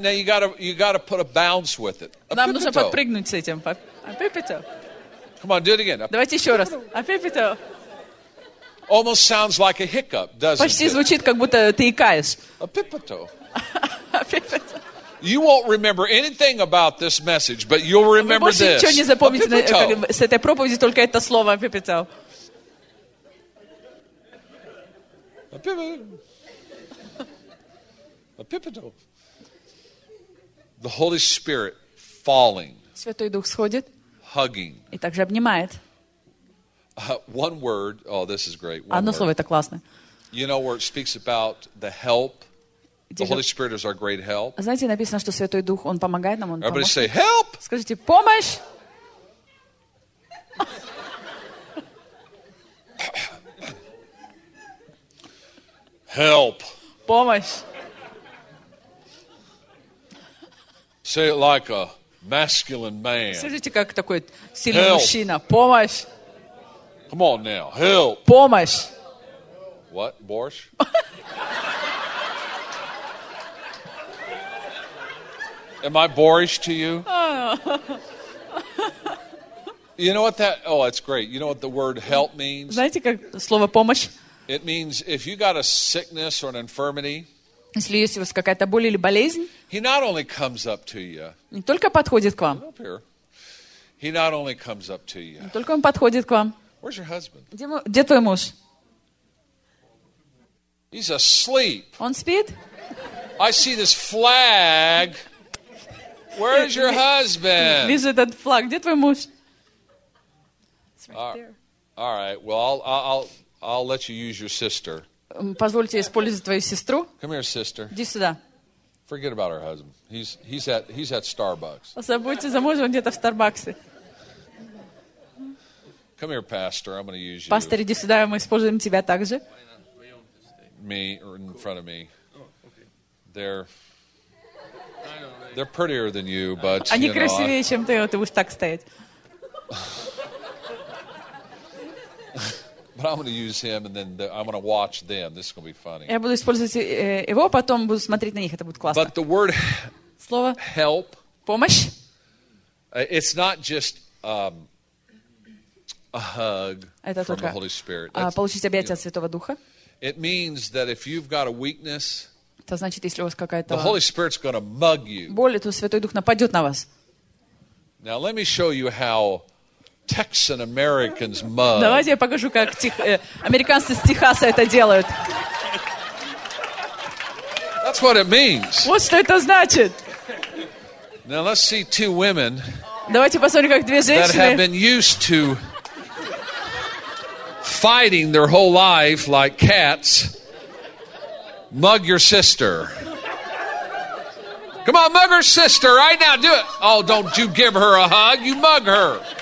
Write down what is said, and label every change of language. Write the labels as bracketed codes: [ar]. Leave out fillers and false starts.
[en] No, you gotta put a bounce with it. [el] Epipeto. [ru] Нам нужно подпрыгнуть с этим. [el] Epipeto. [en] Come on, do it again. [ru] Давайте epipeto. Еще раз. Epipeto. [en] Almost sounds like a hiccup, doesn't [ru] Почти [en] it? [ru] Почти звучит, как будто ты икаешь. [el] Epipeto. Epipeto. [en] You won't remember anything about this message, but you'll remember this. [ru] Вы больше ничего не запомните с этой проповеди, только это слово epipeto. [en] Epipeto. The Holy Spirit falling. [ru] Святой Дух сходит. [en] Hugging. [ru] И также обнимает. [en] One word. Oh, this is great. [ru] Одно слово это классное. [en] You know where it speaks about the help. The Holy Spirit is our great help. [ru] Знаете, написано, что Святой Дух, он помогает нам, он [en] Everybody [ru] поможет. [en] Say help. [ru] Скажите помощь. [en] Help. [ru] Помощь. [en] Say it like a masculine man. [ru] Скажите как такой сильный help. Мужчина. Помощь. [en] Come on now, help. [ru] Помощь. [en] What, Borscht? Am I Borscht to you? You know what that? Oh, that's great. You know what the word help means? [ru] Знаете, как слово помощь? [en] It means if you got a sickness or an infirmity. [ru] Если есть у вас какая-то боль или болезнь. [en] He not only comes up to you. [ru] Не только подходит к вам. [en] Up here. He not only comes up to you. [ru] Не только он подходит к вам. [en] Where's your husband? [ru] Где твой муж? [en] He's asleep. [ru] Он спит? [en] I see this flag. Where's your husband? [ru] Вижу этот флаг. Где твой муж? [en] It's right there. All right. Well, I'll let you use your sister. [ru] Позвольте использовать твою сестру. [en] Come here, sister. [ru] Иди сюда. [en] Forget about her husband. He's at Starbucks. [ru] Забудьте за мужа, он где-то в Старбаксе. [en] Come here, pastor. I'm going to use you. [ru] Пастор, иди сюда, мы используем тебя также. [en] Me or in front of me. They're prettier than you, but [ru] они красивее, чем ты, вот ты будешь так стоять. [en] But I'm going to use him, and then I'm going to watch them. This is going to be funny. [ru] Я буду использовать его, потом буду смотреть на них. Это будет классно. [en] But the word [ru] слово [en] help [ru] помощь. [en] It's not just a hug from the Holy Spirit. [ru] Получить объятие от Святого Духа. [en] It means that if you've got a weakness. [ru] Это значит, если у вас какая-то [en] the Holy Spirit's going to mug you. [ru] Боль, то Святой Дух нападет на вас. [en] Now let me show you how Texan Americans mug. [ru] Давайте я покажу, как американцы с Техаса это делают. [en] That's what it means. [ru] Вот что это значит. [en] Now let's see two women. [ru] Давайте посмотрим, как две женщины. [en] That have been used to fighting their whole life like cats. Mug your sister. Come on, mug her sister right now. Do it. Oh, don't you give her a hug. You mug her.